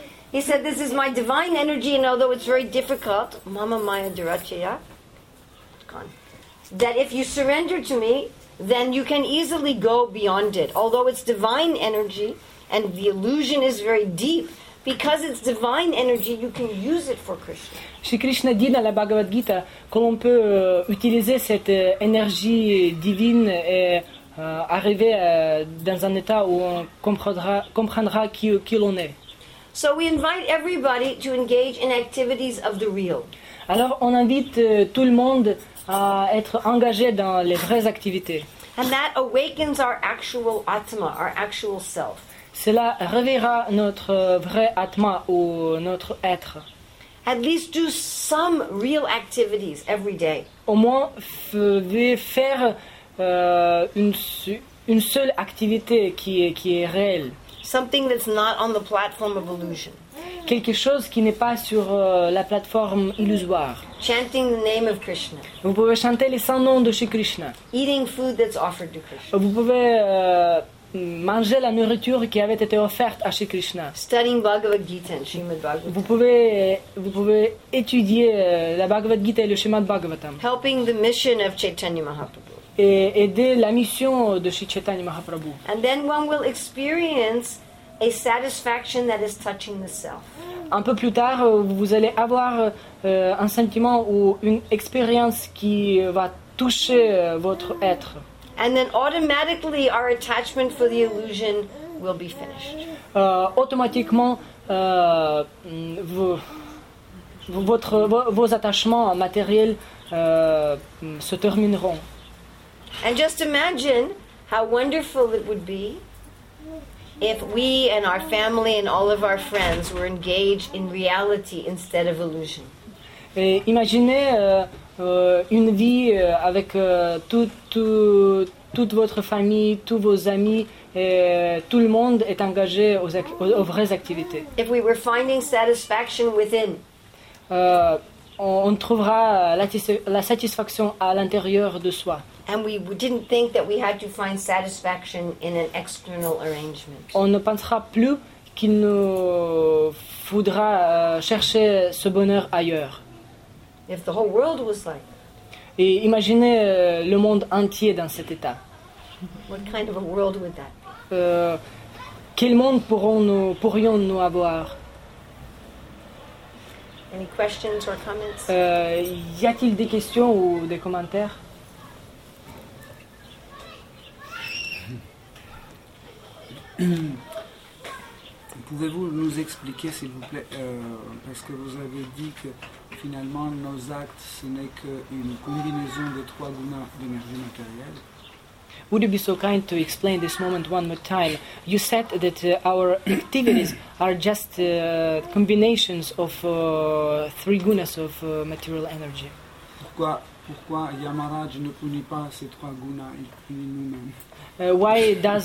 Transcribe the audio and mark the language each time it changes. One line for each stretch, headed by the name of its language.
English: He said, this is my divine energy, and although it's very difficult,
Sanskrit: mama maya durachaya,
English: that if you surrender to me, then you can easily go beyond it. Although it's divine energy, and the illusion is very deep, because it's divine energy, you can use it for Krishna.
French: Shri Krishna dit dans la Bhagavad Gita que l'on peut utiliser cette énergie divine et arriver dans un état où on comprendra qui l'on est.
English: So we invite everybody to engage in activities of the real.
French: Alors on invite tout le monde à être engagé dans les vraies activités.
English: And that awakens our actual atma, our actual self.
French: Cela réveillera notre vrai atma ou notre être.
English: At least do some real activities every day.
French: Au moins faire une seule activité qui est réelle.
English: Something that's not on the platform of illusion.
French: Quelque chose qui n'est pas sur la plateforme illusoire.
English: Chanting the name of Krishna.
French: Vous pouvez chanter les 100 noms de Shri Krishna.
English: Eating food that's offered to Krishna.
French: Vous pouvez manger la nourriture qui avait été offerte à Shri Krishna.
English: Studying Bhagavad Gita and Srimad Bhagavatam.
French: Vous pouvez étudier la Bhagavad Gita et le Srimad Bhagavatam.
English: Helping the mission of Chaitanya Mahaprabhu.
French: Et aider la mission de Sri Chaitanya Mahaprabhu.
English: And then one will experience a satisfaction that is touching the self.
French: Un peu plus tard, vous allez avoir un sentiment ou une expérience qui va toucher votre être.
English: And then automatically our attachment for the illusion will be finished.
French: Automatiquement, vos attachements matériels se termineront.
English: And just imagine how wonderful it would be if we and our family and all of our friends were engaged in reality instead of illusion.
French: Et imaginez une vie avec toute votre famille, tous vos amis, et tout le monde est engagé aux vraies activités.
English: If we were finding satisfaction within.
French: On trouvera la satisfaction à l'intérieur de soi.
English: And we didn't think that we had to find satisfaction in an external arrangement.
French: On ne pensera plus qu'il nous faudra chercher ce bonheur ailleurs.
English: If the whole world was like that.
French: Et imaginez le monde entier dans cet état.
English: What kind of a world would that be?
French: Quel monde pourrions-nous avoir?
English: Any questions or comments?
French: Y a-t-il des questions ou des commentaires? Pouvez-vous nous expliquer, s'il vous plaît, parce que vous avez dit que finalement nos actes, ce n'est qu'une combinaison de trois gunas d'énergie matérielle.
English: Would you be so kind to explain this moment one more time? You said that our activities are just combinations of three gunas of material energy.
French: Pourquoi Yamaraj ne punit pas ces trois gunas, il punit nous-mêmes?